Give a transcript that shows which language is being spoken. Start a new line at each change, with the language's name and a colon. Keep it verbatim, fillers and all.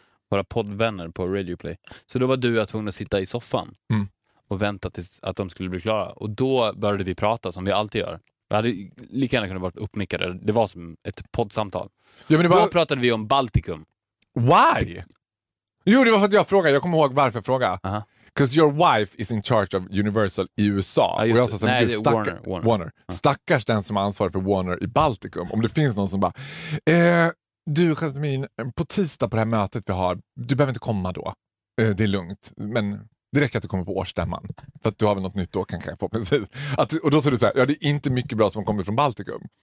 Swedish: Våra poddvänner på Radio Play. Så då var du att tvungen att sitta i soffan mm. och vänta tills att de skulle bli klara. Och då började vi prata som vi alltid gör. Vi hade lika gärna kunnat vara uppmickade. Det var som ett poddsamtal. Ja, men det var... Då pratade vi om Baltikum.
English: Why?
Swedish: Jo, det var för att jag frågade. Jag kommer ihåg varför jag frågade. Uh-huh.
English: Because your wife is in charge of Universal i U S A.
Swedish: Ja, just och jag sa, nej, det är stackar- Warner. Warner. Warner. Ja. Stackars den som är ansvarig för Warner i Baltikum. Om det finns någon som bara... Eh, Du, Jasmin, på tisdag på det här mötet vi har, du behöver inte komma då. Det är lugnt, men det räcker att du kommer på årsstämman. För att du har väl något nytt då, kanske. Precis. Att, och då sa du så här, ja, det är inte mycket bra som kommer från Baltikum.